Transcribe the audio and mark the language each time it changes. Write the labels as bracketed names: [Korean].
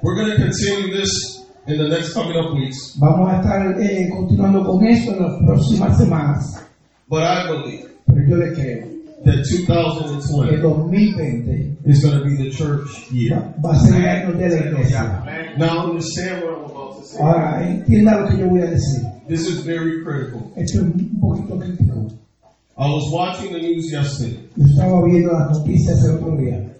[English] We're going to continue this in the next coming up weeks. [Spanish] Vamos a estar continuando con esto en las próximas semanas. [English] But I believe. [Spanish] Pero yo le creo. [English] That 2020 is going to be the church year. [Spanish] Va a ser el año de la iglesia. [English] Now, understand what I'm about to say. [Spanish] Ahora, entienda lo que yo voy a decir. [English] This is very critical. [Spanish] Esto es un poquito crítico. [English] I was watching the news yesterday. [Spanish] Yo estaba viendo las noticias el otro día.